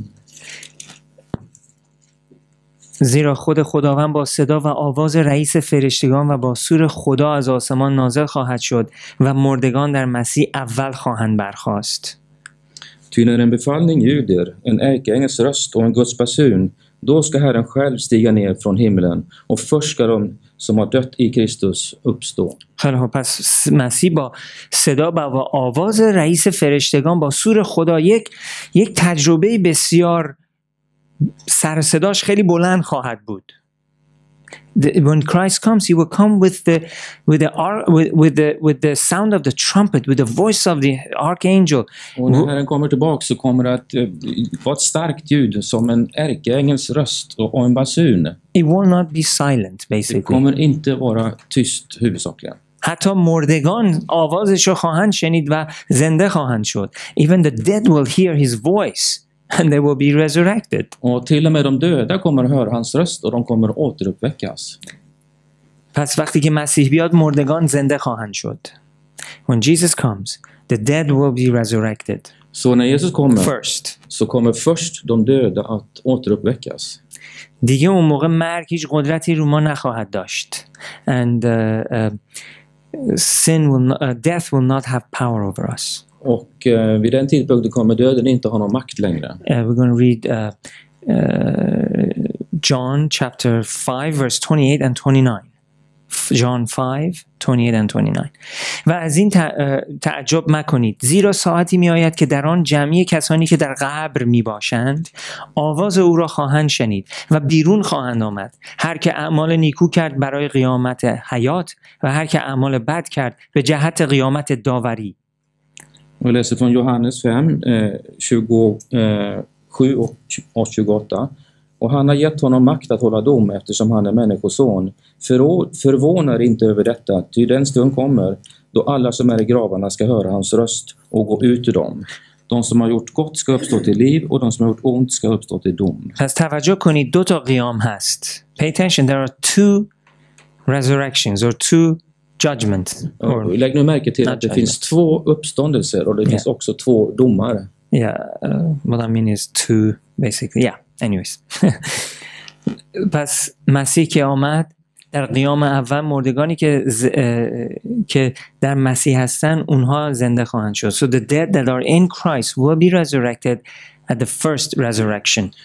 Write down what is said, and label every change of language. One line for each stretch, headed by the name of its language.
Persian: 4:16 زیرا خود خداوند با صدا و آواز رئیس فرشتگان و با سور خدا از آسمان نازل خواهد شد و مردگان در مسیح اول خواهند برخاست.
Swedish: Ty när en befallning ljuder, en ärkeängels röst och en Guds basun, då ska Herren själv stiga ner från himlen och först ska de som har dött i Kristus uppstå.
Persian: خیلی خوب پس مسیح با صدا با و آواز رئیس فرشتگان با سور خدا یک تجربه بسیار سرصداش خیلی بلند خواهد بود.
English: when Christ comes, he will come with the sound of the trumpet, with the voice of the archangel.
Swedish: Och när Herren kommer tillbaka så kommer det att vara ett starkt ljud som en ärkeängels röst och en basun.
English: It will not be silent, basically.
Swedish: Det kommer inte vara tyst huvudsakligen.
Persian: حتی مردگان آوازش رو خواهند شنید و زنده خواهند شد.
English: Even the dead will hear his voice and they will be resurrected.
Swedish: Och till och med de döda kommer att höra hans röst och de kommer att återuppväckas.
Persian: پس وقتی که مسیح بیاد مردگان زنده خواهند شد.
English: When Jesus comes, the dead will be resurrected.
Swedish: Så när Jesus kommer
English: first.
Swedish: Så kommer först de döda att återuppväckas.
Persian: دیگه اون موقع مرگ هیچ قدرتی رو ما نخواهد داشت.
English: And sin will not, death will not have power over us.
Swedish: Och vid den tidpunkten kommer döden inte ha någon makt längre.
English: We're going to read John chapter 5 verse 28 and 29. John 5:28-29.
Persian: و از این تعجب مکنید زیرا ساعتی می آید که در آن جمعی کسانی که در قبر می باشند آواز او را خواهند شنید و بیرون خواهند آمد هر که اعمال نیکو کرد برای قیامت حیات و هر که اعمال بد کرد به جهت قیامت داوری
Swedish: و لسه فون یوهانس 5:27-28 Och han har gett honom makt att hålla dom eftersom han är människoson. Förvånar inte över detta, ty den stund kommer då alla som är i gravarna ska höra hans röst och gå ut ur dem. De som har gjort gott ska uppstå till liv och de som har gjort ont ska uppstå till dom.
Persian: Pas tavajjo kunid do ta qiyam hast.
English: Pay attention, there are two resurrections or two judgments.
Swedish: Lägg nu märke till att det finns två uppståndelser och det finns också två domar.
English: Yeah, what I mean is two basically, yeah. Anyways.
Persian: پس مسیح که آمد در قیام اول مردگانی که در مسیح هستن اونها زنده خواهند شد.
English: So the dead that are in Christ will be resurrected at the first resurrection.